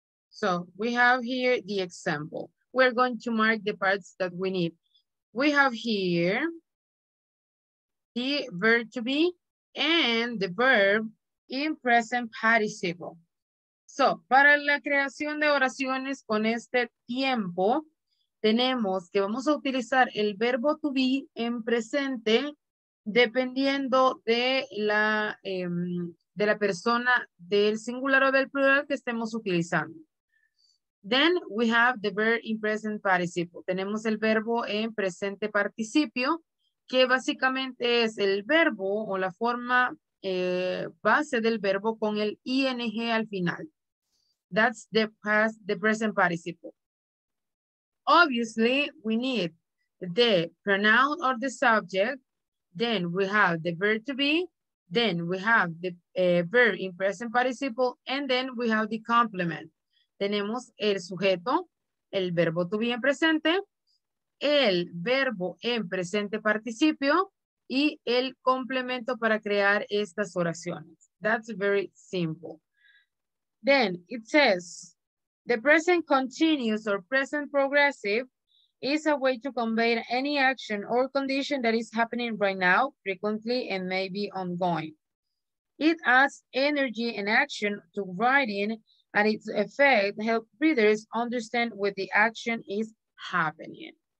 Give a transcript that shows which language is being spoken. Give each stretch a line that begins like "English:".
English: So we have here the example. We're going to mark the parts that we need. We have here the verb to be and the verb in present participle.
Spanish: So para la creación de oraciones con este tiempo, tenemos que vamos a utilizar el verbo to be en presente dependiendo de la persona del singular o del plural que estemos utilizando.
English: Then we have the verb in present participle.
Spanish: Tenemos el verbo en presente participio, que básicamente es el verbo o la forma base del verbo con el ing al final.
English: That's the past, the present participle. Obviously, we need the pronoun or the subject, then we have the verb to be, then we have the verb in present participle, and then we have the complement.
Spanish: Tenemos el sujeto, el verbo to be en presente, el verbo en presente participio, y el complemento para crear estas oraciones.
English: That's very simple. Then it says, the present continuous or present progressive is a way to convey any action or condition that is happening right now, frequently, and maybe ongoing. It adds energy and action to writing, and its effect helps readers understand what the action is happening.